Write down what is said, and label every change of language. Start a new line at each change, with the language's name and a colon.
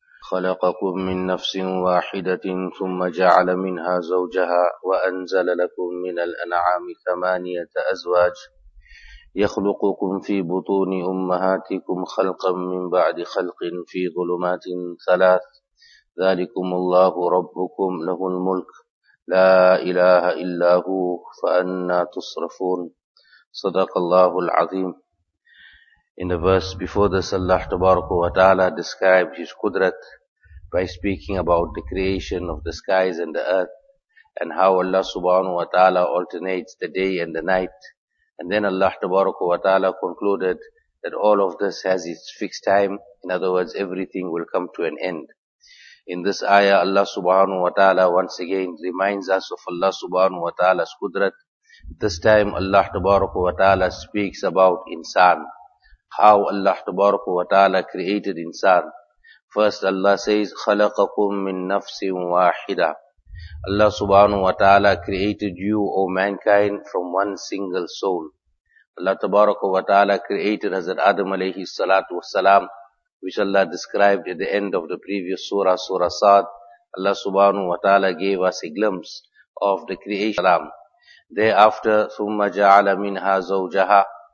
Arabic: خلقكم من نفس واحدة ثم جعل منها زوجها وأنزل لكم من الأنعام ثمانية أزواج يخلقكم في بطون أمهاتكم خلقا من بعد خلق في ظلمات ثلاث ذلكم الله ربكم له الملك لا إله إلا هو فأنى تصرفون. صدق الله العظيم.
English: In the verse before this, Allah Tabaraka wa Ta'ala described His Qudrat by speaking about the creation of the skies and the earth and how Allah Subhanahu wa Ta'ala alternates the day and the night. And then Allah Tabaraka wa Ta'ala concluded that all of this has its fixed time. In other words, everything will come to an end. In this ayah, Allah Subhanahu wa Ta'ala once again reminds us of Allah Subhanahu wa Ta'ala's Qudrat. This time Allah Tabaraka wa Ta'ala speaks about insan. How Allah Tabaraka wa Ta'ala created insan. First Allah says,
Arabic: خَلَقَكُم مِّن نَفْسٍ وَاحِدًا.
English: Allah Subhanahu wa Ta'ala created you, O mankind, from one single soul. Allah Tabaraka wa Ta'ala created Hazrat Adam alayhi salatu wasalam, which Allah described at the end of the previous surah, Surah Sa'd. Allah Subhanahu wa Ta'ala gave us a glimpse of the creation. Thereafter,
Arabic: ثُمَّ جَعَلَ مِنْهَا زَوْجَهَا.